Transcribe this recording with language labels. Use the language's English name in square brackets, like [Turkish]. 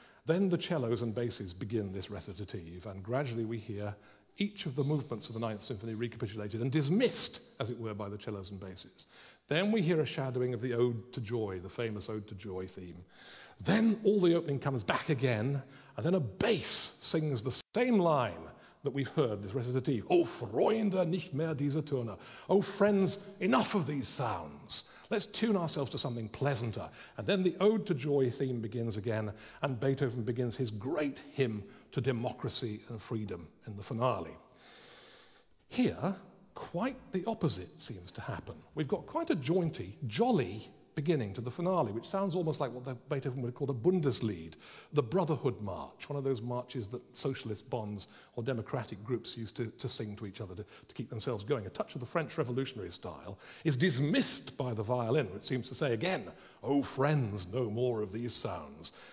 [English] Then the cellos and basses begin this recitative, and gradually we hear each of the movements of the Ninth Symphony recapitulated and dismissed, as it were, by the cellos and basses. Then we hear a shadowing of the Ode to Joy, the famous Ode to Joy theme. Then all the opening comes back again, and then a bass sings the same line that we've heard, this recitative. [German] Oh, Freunde, nicht mehr diese Töne. [English] Oh, friends, enough of these sounds. Let's tune ourselves to something pleasanter. And then the Ode to Joy theme begins again, and Beethoven begins his great hymn to democracy and freedom in the finale. Here, quite the opposite seems to happen. We've got quite a jaunty, jolly beginning to the finale, which sounds almost like what Beethoven would have called a Bundeslied, the Brotherhood March, one of those marches that socialist bonds or democratic groups used to sing to each other to keep themselves going. A touch of the French revolutionary style is dismissed by the violin, which seems to say again, oh friends, no more of these sounds.